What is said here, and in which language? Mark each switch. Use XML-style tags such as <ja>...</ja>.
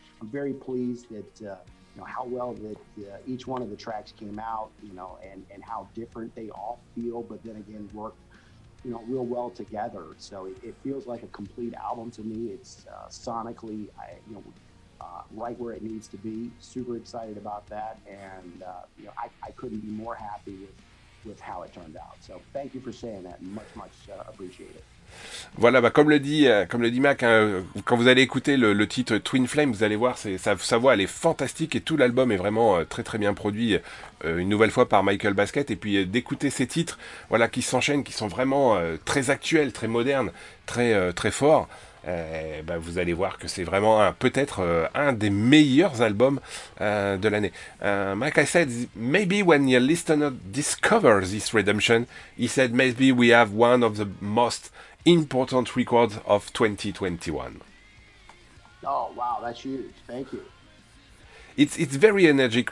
<en>I'm very pleased that you know, how well that each one of the tracks came out, you know, and how different they all feel, but then again work, you know, real well together. So it feels like a complete album to me. It's sonically, right where it needs to be. Super excited about that, and you know, I couldn't be more happy with how it turned out. So thank you for saying that. Much appreciate it.</en> <fr>Voilà, bah comme le dit Mac, hein, quand vous allez écouter le titre Twin Flame, vous allez voir, sa voix, elle est fantastique, et tout l'album est vraiment très très bien produit, une nouvelle fois par Michael Basquette. Et puis d'écouter ces titres, voilà, qui s'enchaînent, qui sont vraiment très actuels, très modernes, très très forts. Vous allez voir que c'est vraiment un des meilleurs albums de l'année.</fr> <en>Like I said, maybe when your listener discovers this Redemption, he said maybe we have one of the most important records of 2021. Oh wow, that's huge! Thank you. It's very energetic.</en>